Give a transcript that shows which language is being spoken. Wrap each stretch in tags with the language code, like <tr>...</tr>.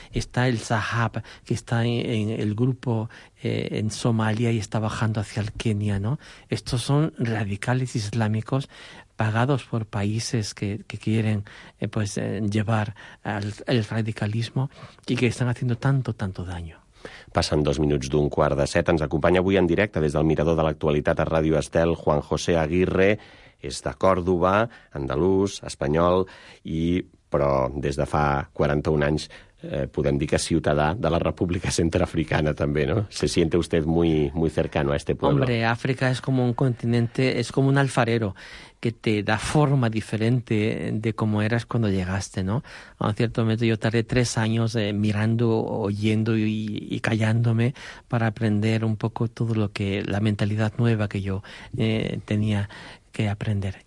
<es>Está el Sahab, que está en el grupo en Somalia y está bajando hacia el Kenia, ¿no? Estos son radicales islámicos pagados por países que quieren llevar el radicalismo y que están haciendo tanto daño.</es> <ca>Passen 2:15. Ens acompanya avui en directe des del Mirador de l'Actualitat a Ràdio Estel Juan José Aguirre. És de Còrdoba, andalús, espanyol, i però des de fa 41 anys podem dir que ciutadà de la República Centroafricana també, ¿no?</ca> <es>Se siente usted muy, muy cercano a este pueblo. Hombre, África es como un continente, es como un alfarero que te da forma diferente de cómo eras cuando llegaste, ¿no? A un cierto momento yo tardé 3 años mirando, oyendo y callándome para aprender un poco todo lo que, la mentalidad nueva que yo tenía que aprender.</es>